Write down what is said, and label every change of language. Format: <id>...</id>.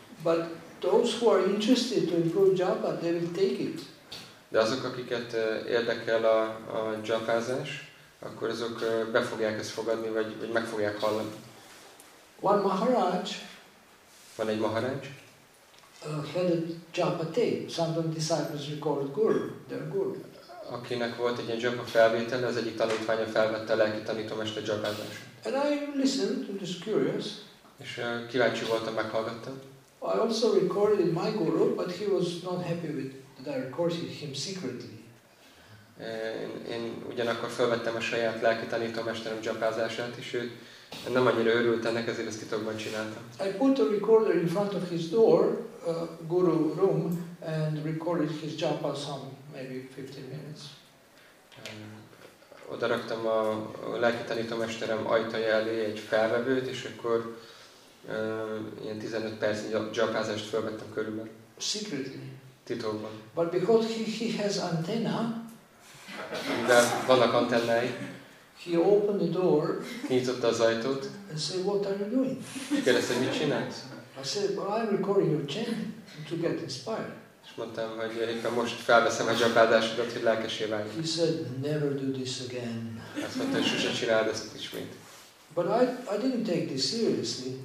<en>But those who are interested to improve japa, they will take it.</en> <hu>De azok, akiket érdekel a japázás, akkor azok be fogják ezt fogadni, vagy meg fogják hallani.</hu> <en>One Maharaj.</en> <hu>Van egy Maharaj.</hu> <en>Had a japa tape. Some disciples recorded guru, their guru.</en> <hu>Akinek volt egy ilyen japa felvétel, az egyik tanítványa felvette a lelki tanítómester japázását.</hu> <en>And I listened, I'm just curious.</en> <hu>És kíváncsi voltam, meghallgattam.</hu> <en>I also recorded in my guru, but he was not happy with that I recorded him secretly.</en> <hu>Én ugyanakkor felvettem a saját lelki tanítómesterem japázását is, ő nem annyira örült ennek, ezért ezt titokban csináltam.</hu> <en>I put a recorder in front of his door, guru room, and recorded his japa some maybe 15 minutes.</en> <hu>Oda raktam a lelki tanítómesterem ajtaja elé egy felvevőt, és akkor ilyen 15 perc japázást felvettem körülbelül.</hu> <en>Secretly.</en> <hu>Titokban.</hu> <en>But because he has antenna,</en> <hu>de vannak antennái.</hu> <en>He opened the door.</en> <hu>Kinyitotta az ajtót.</hu> <en>And said, what are you doing?</en> <hu>Kérdezte, mit csinálsz?</hu> <en>I said, well, I'm recording your chant to get inspired.</en> <hu>És mondtam, hogy éppen most felveszem a japázásodat, hogy lelkessé váljunk.</hu> <en>He said, never do this again.</en> <hu>Azt mondta, hogy sose csináld ezt ismét.</hu> <en>But I didn't take this seriously.</en>